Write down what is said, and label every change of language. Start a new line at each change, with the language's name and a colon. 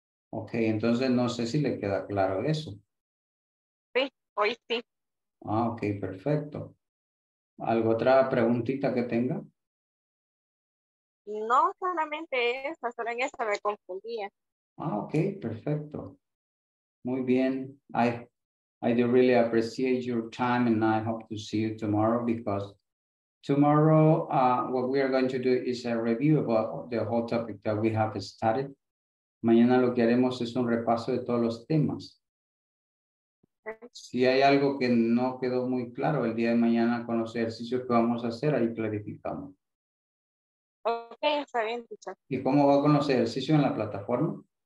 Spanish: Ok, entonces no sé si le queda claro eso. Sí, hoy sí. Ah, ok, perfecto. ¿Algo otra preguntita que tenga? No, solamente esta, solo en esta me confundía. Ah, ok, perfecto. Muy bien.
English: I do really appreciate your time and I hope to see you tomorrow because tomorrow what we are going to do is a review about the whole topic that we have studied.
Spanish: Mañana lo que haremos es un repaso de todos los temas. Si hay algo que no quedó muy claro, el día de mañana con los ejercicios que vamos a hacer, ahí clarificamos. Ok, está bien, teacher. ¿Y cómo va con los ejercicios en la plataforma?